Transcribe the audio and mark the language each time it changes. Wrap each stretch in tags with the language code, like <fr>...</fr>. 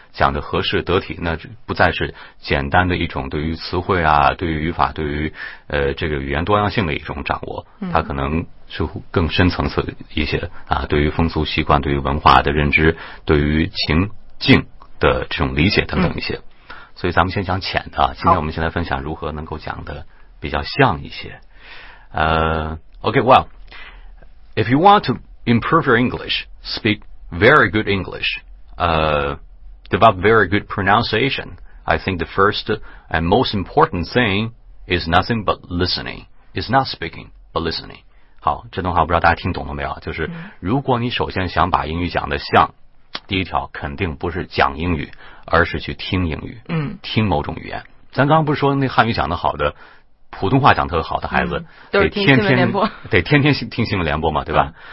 <zh>讲的合适得体，那不再是简单的一种对于词汇啊、对于语法、对于这个语言多样性的一种掌握，它可能是更深层次一些啊，对于风俗习惯、对于文化的认知、对于情境的这种理解等等一些。嗯、所以咱们先讲浅的，今天我们先来分享如何能够讲的比较像一些。</zh> <en>OK, well. If you want to improve your English, speak very good English, develop very good pronunciation, I think the first and most important thing is nothing but listening. It's not speaking, but listening.</en> <zh>好，这段话不知道大家听懂了没有，就是如果你首先想把英语讲得像，第一条肯定不是讲英语，而是去听英语，听某种语言。咱刚刚不是说那汉语讲得好的普通话讲特别好的孩子，得天天听新闻联播嘛，对吧？</zh>